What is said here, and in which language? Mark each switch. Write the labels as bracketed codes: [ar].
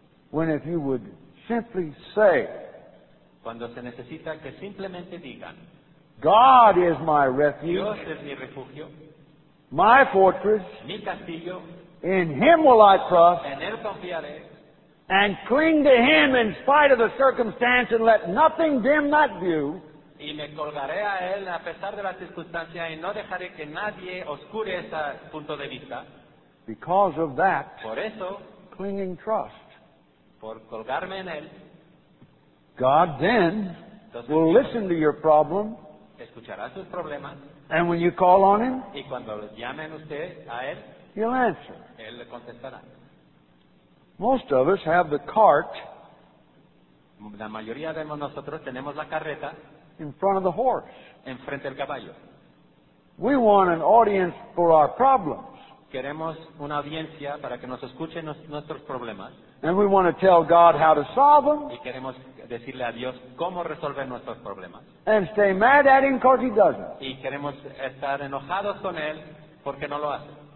[en] When if you would simply say. [es] Cuando se necesita que simplemente digan. [en] God is my refuge. [es] Dios es mi refugio. [en] My fortress. [es] Mi castillo. [en] In Him will I trust. [es] En él confiaré. [en] And cling to Him in spite of the circumstance and let nothing dim that view. [es] Y me colgaré a él a pesar de las circunstancias y no dejaré que nadie oscure ese punto de vista. [en] Because of that. [es] Por eso. [en] Clinging trust. [es] Por colgarme en él. [en] God then. [es] Entonces, [en] will listen to your problem. [es] Escuchará sus problemas. [en] And when you call on him, [es] y cuando llamen usted a él, [en] he'll answer. [es] Él le contestará. [en] Most of us have the cart. [es] La mayoría de nosotros tenemos la carreta. [en] In front of the horse. [es] En frente del caballo. [en] We want an audience for our problems. [es] Queremos una audiencia para que nos escuche nuestros problemas. [en] And we want to tell God how to solve them. [es] Y queremos decirle a Dios cómo resolver nuestros problemas. [en] And stay mad at him because he doesn't. [es] Y queremos estar enojados con él porque no lo hace.